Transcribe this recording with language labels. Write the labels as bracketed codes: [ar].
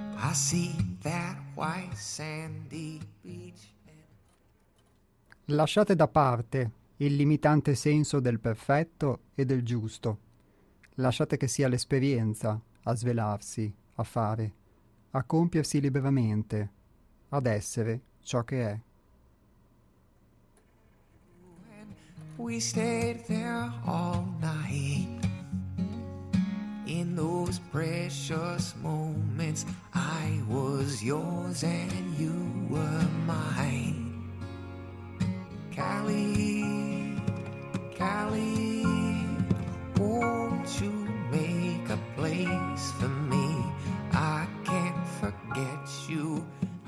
[en] I see that white sandy beach. [it] Lasciate da parte il limitante senso del perfetto e del giusto. Lasciate che sia l'esperienza a svelarsi, a fare, a compiersi liberamente, ad essere ciò che è. [en] We stayed there all night. those precious moments, I was yours and you were mine. Cali, Cali, won't you make a place for me? I can't forget you.